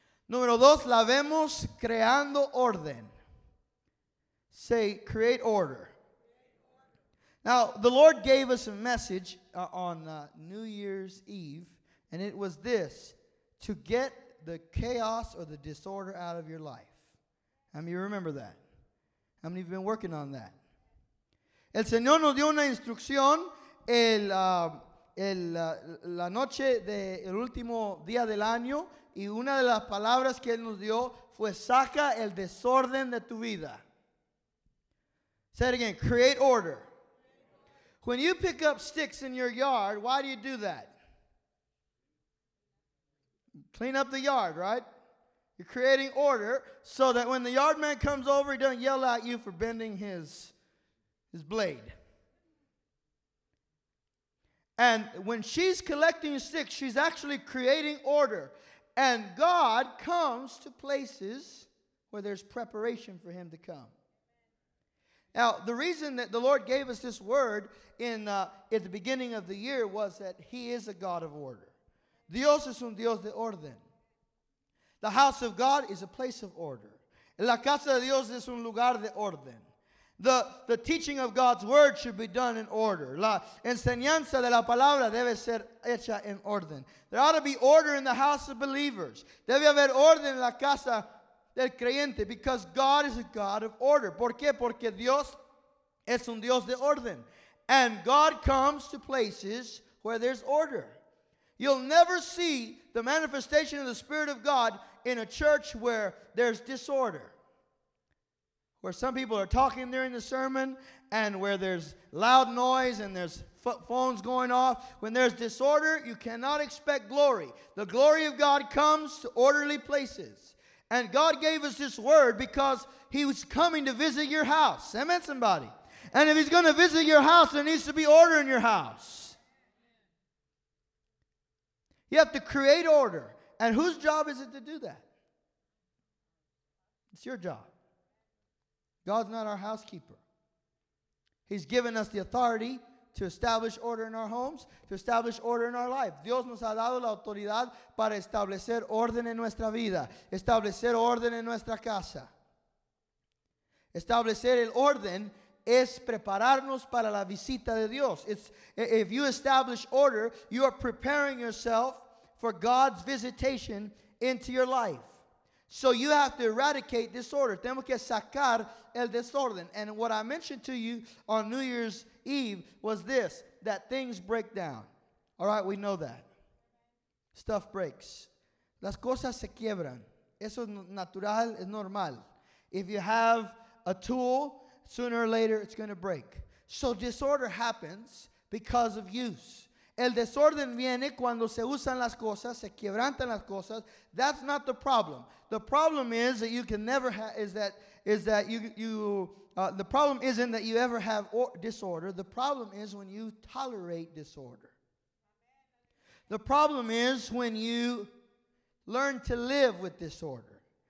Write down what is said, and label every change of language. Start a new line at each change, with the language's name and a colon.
Spanish: Número dos, la vemos creando orden.
English: Say, create order. Now, the Lord gave us a message on New Year's Eve. And it was this, to get the chaos or the disorder out of your life. How many of you remember that? How many of you been working on that?
Spanish: El Señor nos dio una instrucción la noche del último día del año, y una de las palabras que Él nos dio fue, saca el desorden de tu vida.
English: Say it again, create order. When you pick up sticks in your yard, why do you do that? Clean up the yard, right? You're creating order so that when the yard man comes over, he doesn't yell at you for bending his blade. And when she's collecting sticks, she's actually creating order. And God comes to places where there's preparation for him to come. Now, the reason that the Lord gave us this word at the beginning of the year was that he is a God of order.
Spanish: Dios es un Dios de orden.
English: The house of God is a place of order.
Spanish: La casa de Dios es un lugar de orden.
English: The teaching of God's word should be done in order.
Spanish: La enseñanza de la palabra debe ser hecha en orden.
English: There ought to be order in the house of believers.
Spanish: Debe haber orden en la casa del creyente,
English: because God is a God of order.
Spanish: ¿Por qué? Porque Dios es un Dios de orden.
English: And God comes to places where there's order. You'll never see the manifestation of the Spirit of God in a church where there's disorder. Where some people are talking during the sermon, and where there's loud noise and there's phones going off. When there's disorder, you cannot expect glory. The glory of God comes to orderly places. And God gave us this word because he was coming to visit your house. Amen, somebody. And if he's going to visit your house, there needs to be order in your house. You have to create order. And whose job is it to do that? It's your job. God's not our housekeeper. He's given us the authority to establish order in our homes, to establish order in our life.
Spanish: Dios nos ha dado la autoridad para establecer orden en nuestra vida, establecer orden en nuestra casa. Establecer el orden es prepararnos para la visita de Dios.
English: It's, if you establish order, you are preparing yourself for God's visitation into your life. So you have to eradicate disorder.
Spanish: Tenemos que sacar el desorden.
English: And what I mentioned to you on New Year's Eve was this, that things break down. All right, we know that. Stuff breaks.
Spanish: Las cosas se quiebran. Eso es natural, es normal.
English: If you have a tool, sooner or later it's going to break. So disorder happens because of use.
Spanish: El desorden viene cuando se usan las cosas, se quiebrantan las cosas.
English: That's not the problem. The problem is that you can never the problem isn't that you ever have disorder. The problem is when you tolerate disorder. The problem is when you learn to live with disorder.